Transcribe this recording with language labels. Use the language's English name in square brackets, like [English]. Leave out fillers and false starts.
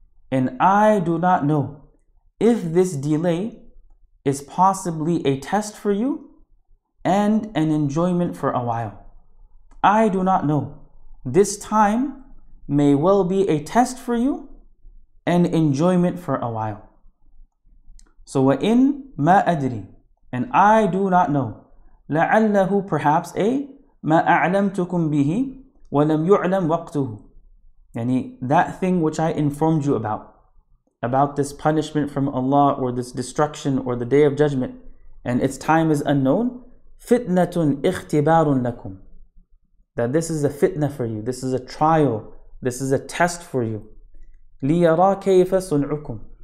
[English] And I do not know if this delay is possibly a test for you and an enjoyment for a while. I do not know. This time may well be a test for you and enjoyment for a while. [Arabic] So وَإِنْ مَا أَدْرِي. [English] And I do not know. [Arabic] لَعَلَّهُ, [English] perhaps, a [Arabic] مَا أَعْلَمْتُكُمْ بِهِ وَلَمْ يُعْلَمْ وَقْتُهُ. [English] Yani, that thing which I informed you about this punishment from Allah or this destruction or the day of judgment, and its time is unknown. [Arabic] فِتْنَةٌ اِخْتِبَارٌ لَكُمْ. [English] That this is a fitna for you. This is a trial. This is a test for you. [Arabic] لِيَرَى كَيْفَ صُنْعُكُمْ.